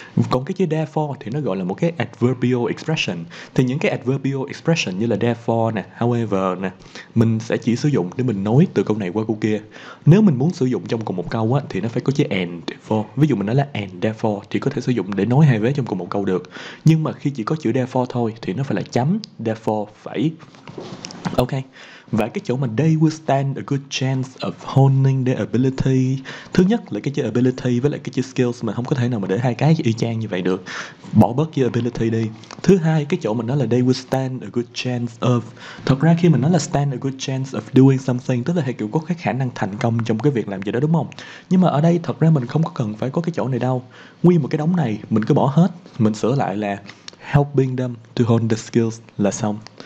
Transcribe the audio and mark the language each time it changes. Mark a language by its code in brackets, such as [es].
[vi] Còn cái chữ therefore thì nó gọi là một cái adverbial expression. Thì những cái adverbial expression như là therefore nè, however nè, mình sẽ chỉ sử dụng để mình nói từ câu này qua câu kia. Nếu mình muốn sử dụng trong cùng một câu á, thì nó phải có chữ and for. Ví dụ mình nói là and therefore thì có thể sử dụng để nói hai vế trong cùng một câu được. Nhưng mà khi chỉ có chữ therefore thôi thì nó phải là chấm, therefore phải. Ok. Và cái chỗ mà [en] they will stand a good chance of honing their ability. [vi] Thứ nhất là cái chữ ability với lại cái chữ skills, mà không có thể nào mà để hai cái y chang như vậy được. Bỏ bớt chữ ability đi. Thứ hai, cái chỗ mình nói là [en] they will stand a good chance of. [vi] Thật ra khi mình nói là [en] stand a good chance of doing something, [vi] tức là hay kiểu có cái khả năng thành công trong cái việc làm gì đó đúng không? Nhưng mà ở đây thật ra mình không có cần phải có cái chỗ này đâu. Nguyên một cái đống này mình cứ bỏ hết, mình sửa lại là [en] helping them to hone the skills [vi] là xong.